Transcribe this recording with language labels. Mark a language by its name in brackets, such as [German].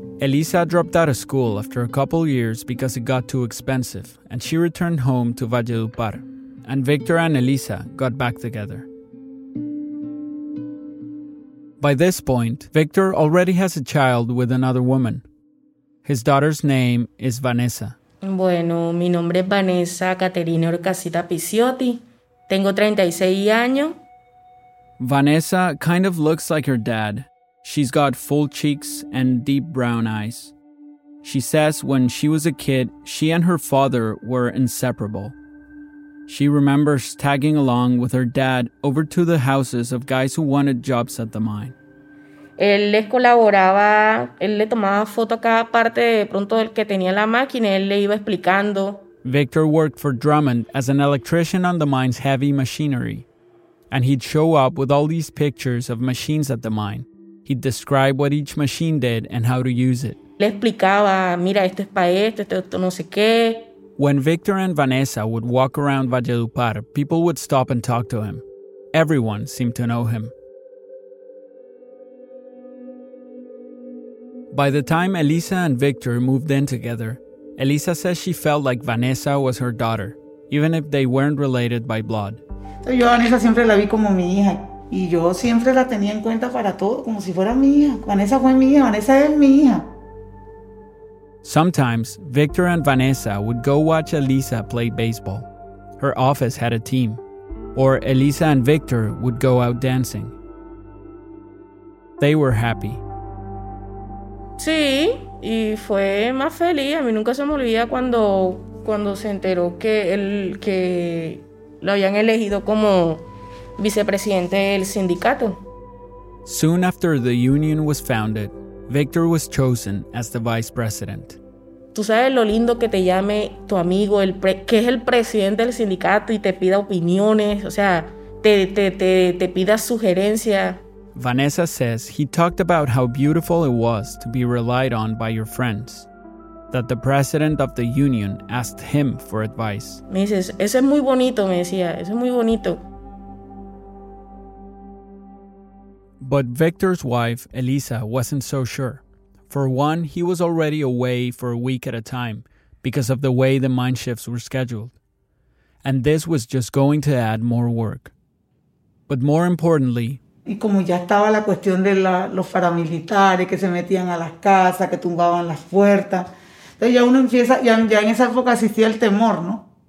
[English] Elisa dropped out of school after a couple years because it got too expensive, and she returned home to Valledupar. And Victor and Elisa got back together. By this point, Victor already has a child with another woman. His daughter's name is Vanessa. [Spanish] Bueno, mi nombre es Vanessa Caterina Orcasita Pisciotti. Tengo 36 años. [English] Vanessa kind of looks like her dad. She's got full cheeks and deep brown eyes. She says when she was a kid, she and her father were inseparable. She remembers tagging along with her dad over to the houses of guys who wanted jobs at the mine. [Spanish] Él les colaboraba, él le tomaba foto a cada parte de pronto del que tenía la máquina, él le iba explicando. [English] Victor worked for Drummond as an electrician on the mine's heavy machinery. And he'd show up with all these pictures of machines at the mine. He'd describe what each machine did and how to use it. [Spanish] Le explicaba, mira, esto es para esto, esto no sé qué. [English] When Victor and Vanessa would walk around Valledupar, people would stop and talk to him. Everyone seemed to know him. By the time Elisa and Victor moved in together, Elisa says she felt like Vanessa was her daughter, even if they weren't related by blood. [Spanish] Yo a Vanessa siempre la vi como mi hija, y yo siempre la tenía en cuenta para todo, como si fuera mi hija. Vanessa fue mi hija, Vanessa es mi hija. [English] Sometimes, Victor and Vanessa would go watch Elisa play baseball. Her office had a team. Or Elisa and Victor would go out dancing. They were happy. [Spanish] Sí, y fue más feliz. A mí nunca se me olvida cuando se enteró que lo habían elegido como vicepresidente del sindicato. [English] Soon after the union was founded, Victor was chosen as the vice president. [Spanish] Tú sabes lo lindo que te llame tu amigo, que es el presidente del sindicato y te pida opiniones, o sea, te pida sugerencia. [English] Vanessa says he talked about how beautiful it was to be relied on by your friends, that the president of the union asked him for advice. [Spanish] Me dices, eso es muy bonito, me decía, eso es muy bonito. [English] But Victor's wife, Elisa, wasn't so sure. For one, he was already away for a week at a time because of the way the mine shifts were scheduled. And this was just going to add more work. But more importantly, [Spanish] y como ya estaba la cuestión de los paramilitares que se metían a las casas, que tumbaban las puertas, entonces ya uno empieza, ya en esa época existía el temor, ¿no?